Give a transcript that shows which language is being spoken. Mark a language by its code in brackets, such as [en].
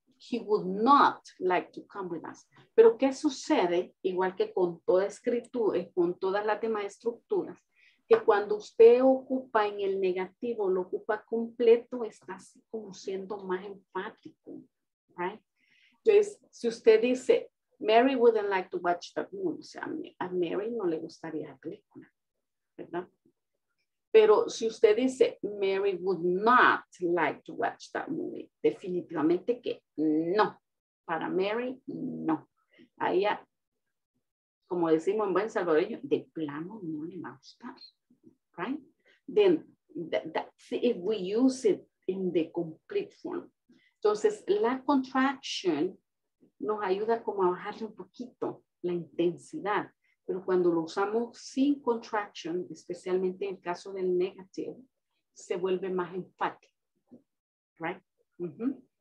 [en] He would not like to come with us. [es] Pero ¿qué sucede? Igual que con toda escritura, con todas las demás estructuras, que cuando usted ocupa en el negativo, lo ocupa completo, está así como siendo más enfático. Right? Entonces, si usted dice, [en] Mary wouldn't like to watch the movie, [es] o sea, a Mary no le gustaría la película. ¿Verdad? Pero si usted dice, [en] Mary would not like to watch that movie, [es] definitivamente que no. Para Mary, no. A ella, como decimos en buen salvadoreño, de plano no le va a gustar. [en] Right? Then, that, if we use it in the complete form. [es] Entonces, la contraction nos ayuda como a bajarle un poquito la intensidad. Pero cuando lo usamos sin contraction, especialmente en el caso del negative, se vuelve más enfático. [en] Right? Mm-hmm.